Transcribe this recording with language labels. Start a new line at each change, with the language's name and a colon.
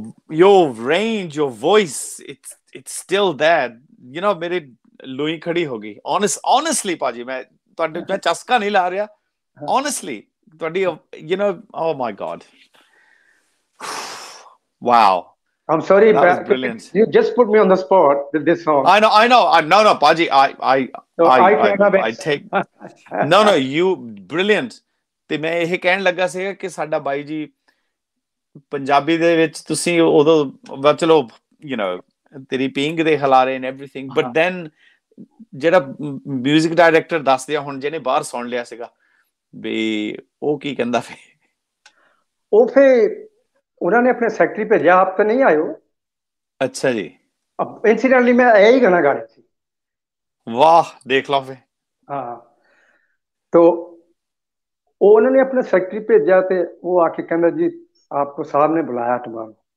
English: your range your voice it's still that you know
Punjabi: ਮੇਰੇ Louis ਖੜੀ ਹੋ ਗਈ ਓਨੈਸਟਲੀ ਪਾਜੀ ਮੈਂ ਤੁਹਾਡੇ ਮੈਂ ਚਸਕਾ ਨਹੀਂ ਲਾ ਰਿਹਾ ਓਨੈਸਟਲੀ ਤੁਹਾਡੀ you know
English: Oh my God wow I'm sorry, that was brilliant. You just put me on the spot with this song. I know. Paji, I take... No, you... Brilliant.
Punjabi: ਤੇ ਮੈਂ ਇਹ ਕਹਿਣ ਲੱਗਾ ਸੀਗਾ ਕਿ ਸਾਡਾ ਬਾਈ ਜੀ ਪੰਜਾਬੀ ਦੇ ਵਿੱਚ ਤੁਸੀਂ ਉਦੋਂ ਚਲੋ ਯੂ ਨੋ ਤੇਰੀ ਪੀਂਗ ਦੇ ਹਲਾਰੇ ਨੇ
English: everything but then
Punjabi: ਜਿਹੜਾ ਮਿਊਜ਼ਿਕ ਡਾਇਰੈਕਟਰ ਦੱਸਦੇ ਆ ਹੁਣ ਜਿਹਨੇ ਬਾਹਰ ਸੁਣ ਲਿਆ ਸੀਗਾ ਵੀ ਉਹ ਕੀ ਕਹਿੰਦਾ ਫਿਰ ਉਹ ਫਿਰ
Hindi: उन्होंने अपने सेक्रेटरी भेजा आप तो नहीं आयो। अच्छा जी, अब इंसिडेंटली मैं यही गाना गा रही थी। वाह, देख लो फिर। हाँ, तो उन्होंने अपने सेक्रेटरी भेजा, तो वो आके कहना जी आपको साहब ने बुलाया टुमारो।